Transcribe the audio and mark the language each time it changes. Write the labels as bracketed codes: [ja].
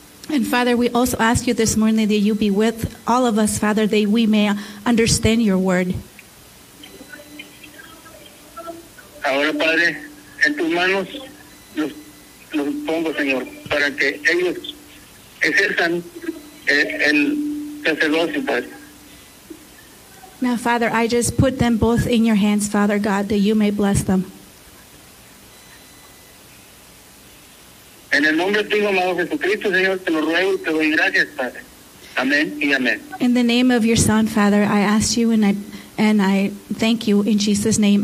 [en] And Father, we also ask you this morning that you be with all of us, Father, that we may understand your word. [es] Ahora, Padre, en tus manos los pongo, Señor, para que ellos ejerzan el sacerdocio, Padre. [en] Now, Father, I just put them both in your hands, Father God, that you may bless them. [es] En el nombre de tu Hijo, amado Jesucristo, Señor, te lo ruego y te doy gracias, Padre. Amén y amén. [en] In the name of your Son, Father, I ask you and I thank you in Jesus' name.